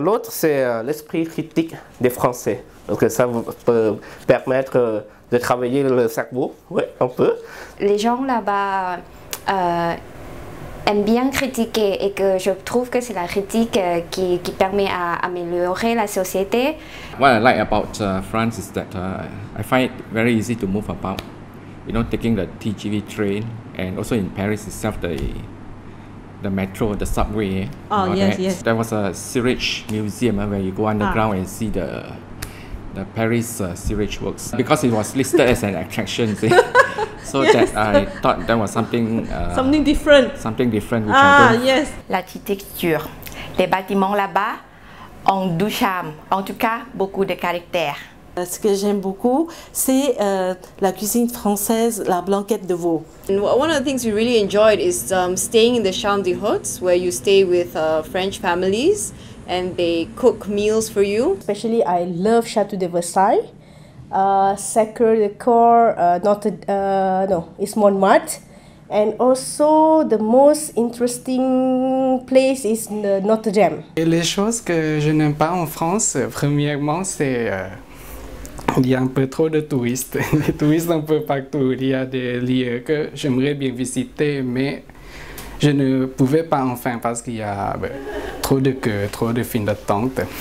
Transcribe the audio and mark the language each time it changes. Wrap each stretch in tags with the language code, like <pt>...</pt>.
<fr>L'autre, c'est l'esprit critique des Français. Parce que ça peut permettre de travailler le cerveau, ouais, un peu. Les gens là-bas aime bien critiquer et que je trouve que c'est la critique qui permet à améliorer la société.</fr> <en>What I like about France is that I find it very easy to move about. You know, taking the TGV train and also in Paris itself the metro, the subway. Oh, yes. There was a sewage museum where you go underground and see the Paris sewage works because it was listed as an attraction. See? So yes. That I thought that was something... something different. Something different. Ah, yes.</en> <fr>L'architecture. Les bâtiments là-bas ont du charme, en tout cas beaucoup de caractère. Ce que j'aime beaucoup, c'est la cuisine française, la blanquette de veau.</fr> <en>One of the things we really enjoyed is staying in the Chambre des Hôtes, where you stay with French families and they cook meals for you. Especially, I love Château de Versailles, Sacré de Cœur, it's Montmartre. And also, the most interesting place is Notre Dame.</en> <fr>Et les choses que je n'aime pas en France, premièrement, c'est. Il y a un peu trop de touristes, des touristes un peu partout. Il y a des lieux que j'aimerais bien visiter, mais je ne pouvais pas enfin parce qu'il y a trop de queues, trop de files d'attente.</fr>